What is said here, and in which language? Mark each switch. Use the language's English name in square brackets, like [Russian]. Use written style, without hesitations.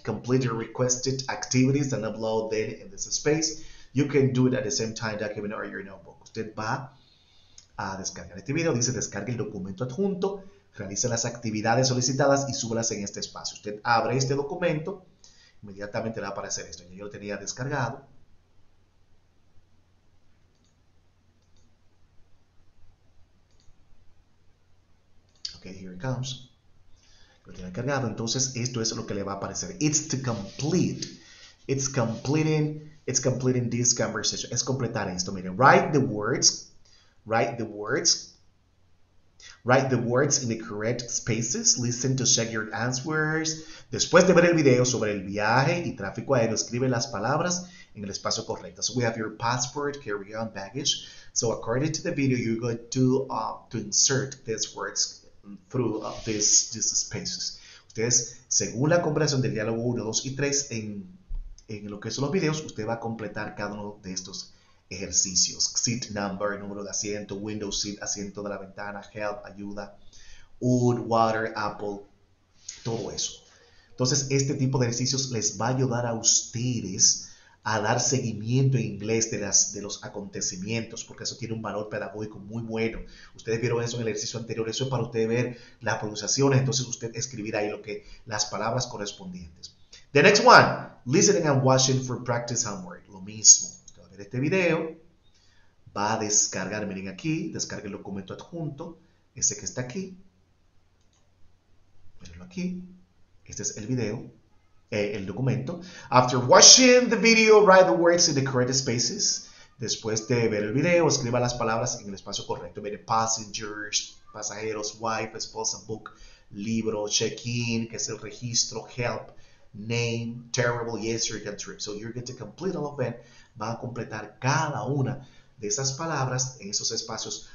[English] Complete your requested activities and upload them in this space. You can do it at the same time document or your notebook. [Spanish] Usted va a descargar este video. Dice, descargue el documento adjunto, realice las actividades solicitadas y súbalas en este espacio. Usted abre este documento, inmediatamente le va a aparecer esto. Yo lo tenía descargado. [English] Ok, here it comes. [Spanish] Lo tiene cargado. Entonces, esto es lo que le va a aparecer. [English] It's to complete. It's completing this conversation. [Spanish] Es completar esto. [English] Miren, write the words in the correct spaces. Listen to check your answers. [Spanish] Después de ver el video sobre el viaje y tráfico aéreo, escribe las palabras en el espacio correcto. [English] So we have your passport, carry-on, baggage. So according to the video, you're going to insert these words through these spaces. [Spanish] Ustedes, según la comprensión del diálogo 1, 2 y 3 en lo que son los videos, usted va a completar cada uno de estos ejercicios. Seat number, número de asiento, window seat, asiento de la ventana, help, ayuda, wood, water, apple, todo eso. Entonces, este tipo de ejercicios les va a ayudar a ustedes a dar seguimiento en inglés de los acontecimientos, porque eso tiene un valor pedagógico muy bueno. Ustedes vieron eso en el ejercicio anterior, eso es para usted ver las pronunciaciones, entonces usted escribirá ahí lo que, las palabras correspondientes. [English] The next one, listening and watching for practice homework. [Spanish] Lo mismo, usted va a ver este video, va a descargar, miren aquí, descargue el documento adjunto, ese que está aquí, mírenlo aquí, este es el video, el documento. [English] After watching the video, write the words in the correct spaces. [Spanish] Después de ver el video, escriba las palabras en el espacio correcto. [English] Mire, passengers, pasajeros, wife, esposa, book, libro, check-in, [Spanish] que es el registro, [English] help, name, terrible, yes, you can trip. So you're going to complete all of that. [Spanish] Va a completar cada una de esas palabras en esos espacios.